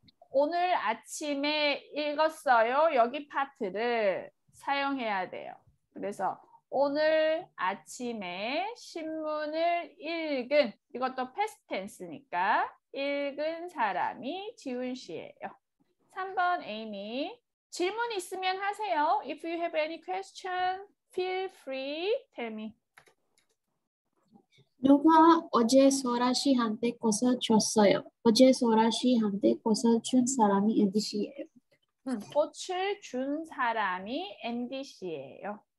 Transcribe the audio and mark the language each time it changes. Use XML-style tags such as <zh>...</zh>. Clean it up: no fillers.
<ko>오늘 아침에 읽었어요. 여기 파트를 사용해야 돼요. 그래서 오늘 아침에 신문을 읽은 이것도 past tense니까 읽은 사람이 지훈 씨예요. 3번 에이미 질문 있으면 하세요.</ko> <en>If you have any question, feel free tell me.</en> <ko>누가 어제 소라 씨한테 꽃을 줬어요? 어제 소라 씨한테 꽃을 준 사람이 앤디 씨예요. 꽃을 준 사람이 앤디 씨예요.</ko>